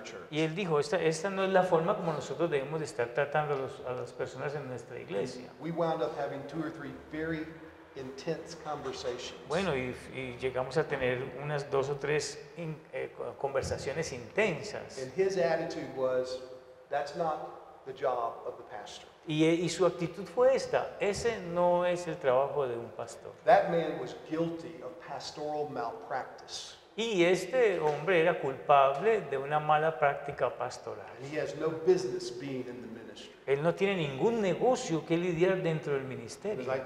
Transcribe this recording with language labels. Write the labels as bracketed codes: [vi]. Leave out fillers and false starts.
[es] Y él dijo, esta no es la forma como nosotros debemos de estar tratando a las personas en nuestra iglesia. [en] We wound up having two or three very intense conversations. [es] Bueno, y llegamos a tener unas dos o tres conversaciones intensas. [en] And his attitude was, that's not the job of the pastor. [es] Y su actitud fue esta, ese no es el trabajo de un pastor. [en] That man was guilty of pastoral malpractice. [es] Y este hombre era culpable de una mala práctica pastoral. [en] And he has no business being in the ministry. [es] Él no tiene ningún negocio que lidiar dentro del ministerio.